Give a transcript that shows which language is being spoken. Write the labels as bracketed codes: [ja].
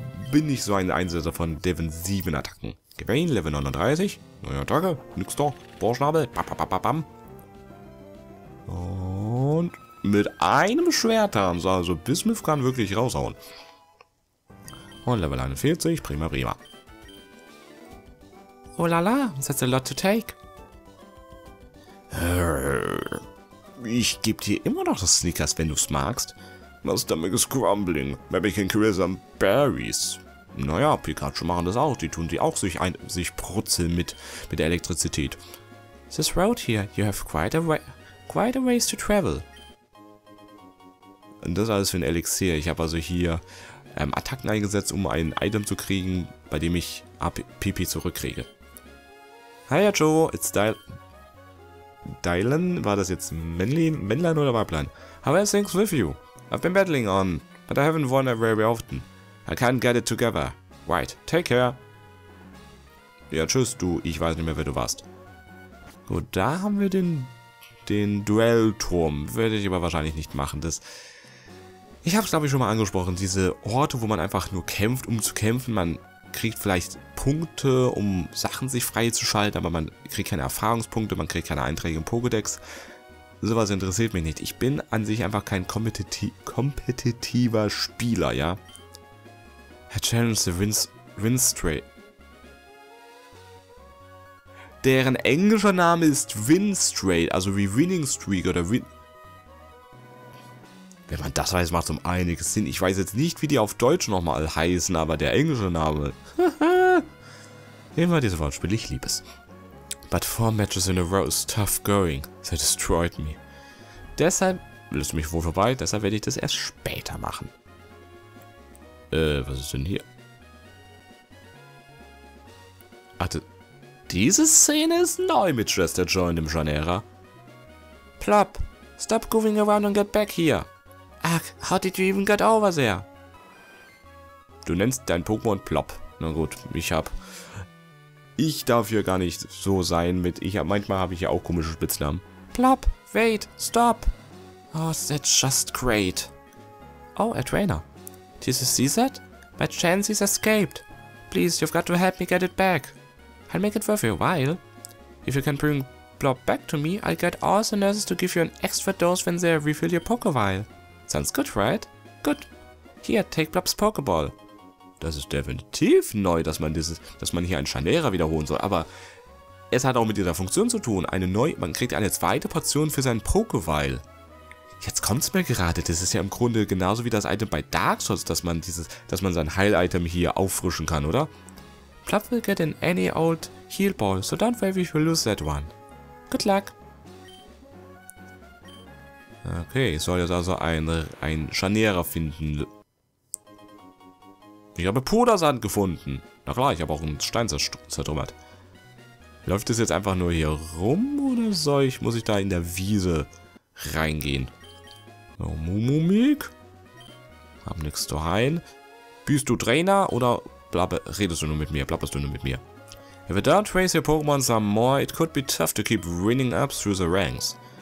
[de] Bin ich so ein Einsetzer von defensiven Attacken. Gewain, Level 39. Neue Attacke. Nix doch. Bohrschnabel. Bam. Und mit einem Schwert haben sie also Bismuth kann wirklich raushauen. Und Level 41. Prima, prima. [en] Oh la la, that's a lot to take. [de] Ich gebe dir immer noch das Snickers, wenn du es magst. [en] My stomach is crumbling. Maybe I can create some berries. [de] Naja, Pikachu machen das auch. Die tun sie auch sich brutzeln mit der Elektrizität. [en] This road here, you have quite a ways to travel. [de] Und das alles für ein Elixier. Ich habe also hier Attacken eingesetzt, um ein Item zu kriegen, bei dem ich PP zurückkriege. [en] Hiya Joe, it's Dylan. [de] War das jetzt Männlein oder Weiblein? [en] How are things with you? I've been battling on, but I haven't won it very often. I can't get it together. Right, take care. [de] Ja, tschüss, du. Ich weiß nicht mehr, wer du warst. Gut, da haben wir den Duellturm. Werde ich aber wahrscheinlich nicht machen. Ich habe es, glaube ich, schon mal angesprochen. Diese Orte, wo man einfach nur kämpft, um zu kämpfen. Man kriegt vielleicht Punkte, um Sachen sich freizuschalten, aber man kriegt keine Erfahrungspunkte, man kriegt keine Einträge im Pokédex. Sowas interessiert mich nicht. Ich bin an sich einfach kein kompetitiver Spieler, ja? [en] Herr Challenge the Winstray. [de] Deren englischer Name ist Winstray, also wie Winning Streak oder Win. Wenn man das weiß, macht es um einiges Sinn. Ich weiß jetzt nicht, wie die auf Deutsch nochmal heißen, aber der englische Name. Nehmen wir diese Wortspiel, ich liebe es. [en] But 4 matches in a row is tough going. They destroyed me. [de] Deshalb willst du mich wohl vorbei, deshalb werde ich das erst später machen. Was ist denn hier? Ach, diese Szene ist neu mit Schwester Joy in dem Janeiro. [en] Plop, stop goofing around and get back here. Ach, how did you even get over there? [de] Du nennst dein Pokémon Plop. Na gut, ich darf hier gar nicht so sein mit... manchmal habe ich ja auch komische Spitznamen. [en] Plop, wait, stop. Oh, that's just great. Oh, a trainer. Did you see that? My chance is escaped. Please, you've got to help me get it back. I'll make it worth your while. If you can bring Plop back to me, I'll get all the nurses to give you an extra dose when they refill your Pokeball. Sounds good, right? Good. Here, take Plop's Pokeball. [de] Das ist definitiv neu, dass man hier ein Janeiro wiederholen soll, aber es hat auch mit dieser Funktion zu tun. Man kriegt eine zweite Portion für sein Pokeball. Jetzt kommt's mir gerade, das ist ja im Grunde genauso wie das Item bei Dark Souls, dass man sein Heil-Item hier auffrischen kann, oder? [en] Plop will get in any old heal ball, so don't worry if you lose that one. Good luck. [de] Okay, ich soll jetzt also ein Janeiro finden. Ich habe Pudersand gefunden. Na klar, ich habe auch einen Stein zertrümmert. Läuft es jetzt einfach nur hier rum oder muss ich da in der Wiese reingehen? So, Mumumik. Hab nichts zu heilen. Bist du Trainer oder redest du nur mit mir? Blabberst du nur mit mir? [en] If you don't raise your Pokémon some more, it could be tough to keep winning up through the ranks.